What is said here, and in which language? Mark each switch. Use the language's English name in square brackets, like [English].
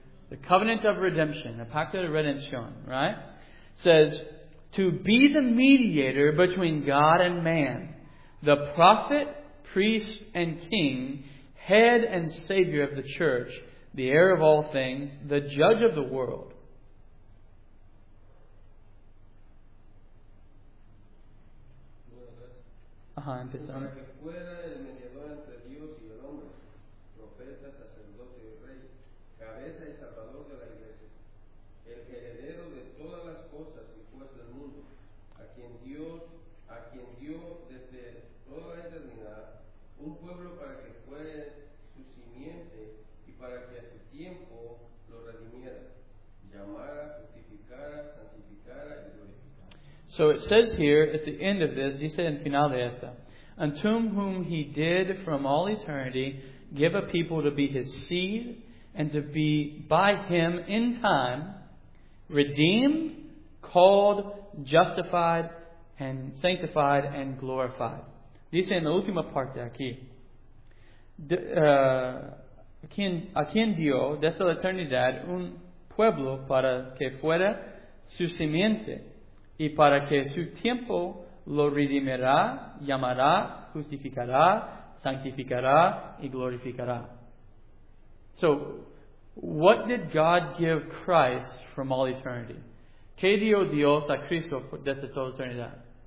[English] The covenant of redemption, the [Spanish] pacto de redención, [English] right? Says, to be the mediator between God and man, the prophet, priest, and king, head and savior of the church, the heir of all things, the judge of the world. [Spanish] Para que fuera el mediador entre Dios y el hombre, profeta, sacerdote y rey, cabeza y salvador de la iglesia, el heredero de todas las cosas y juez del mundo, a quien Dios desde toda la eternidad un pueblo para que fuera su simiente y para que a su tiempo lo redimiera, llamara, justificara, santificara y glorificara. [English] So it says here at the end of this, [Spanish] dice en final de esta, [English] unto whom he did from all eternity give a people to be his seed and to be by him in time redeemed, called, justified, and sanctified and glorified. [Spanish] Dice en la última parte aquí. A quien dio desde la eternidad un pueblo para que fuera su simiente y para que su tiempo lo redimirá, llamará, justificará, sanctificará, y glorificará. [English] So, what did God give Christ from all eternity? [Spanish] ¿Qué dio Dios a Cristo desde toda eternidad?